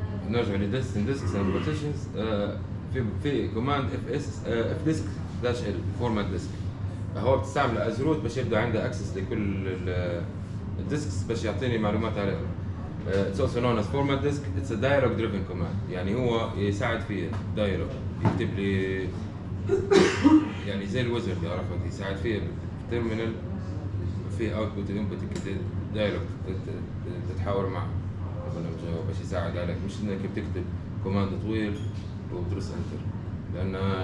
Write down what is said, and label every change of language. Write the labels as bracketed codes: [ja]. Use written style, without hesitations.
[ar] نرجع لدس [en] disks and partitions [ar] في كوماند اف اس اف ديسك داش ال فورمات ديسك هو بتستعمل از روت باش يبدا عنده اكسس لكل الديسكس باش يعطيني معلومات عليها. [en] It's also known as format disk. It's a dialogue driven command. [ar] يعني هو يساعد في الدايلوج يكتب لي يعني زي الوزر اللي عرفت يساعد فيه بالترمينال في اوتبوت انبوت الدايلوج تتحاور معه قبل ما تجاوب باش يساعد عليك مش انك بتكتب كوماند طويل وبترس انتر لان